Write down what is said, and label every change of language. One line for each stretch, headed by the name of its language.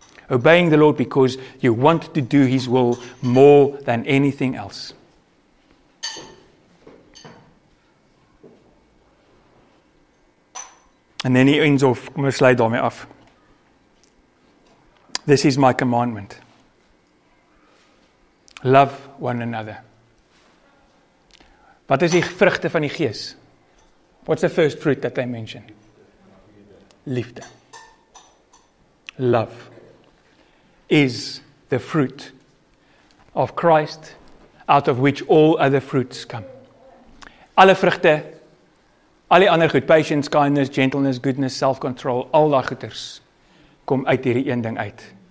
English: Obeying the Lord because you want to do his will more than anything else. And then he ends off, This is my commandment. Love one another.
Afrikaans: Wat is die vrugte van die gees?
English: What's the first fruit that they mention? Liefde. Love is the fruit of Christ out of which all other fruits come.
Afrikaans: Alle vrugte, al die ander goed,
English: patience, kindness, gentleness, goodness, self-control,
Afrikaans: al die goeders, kom uit hierdie een ding uit.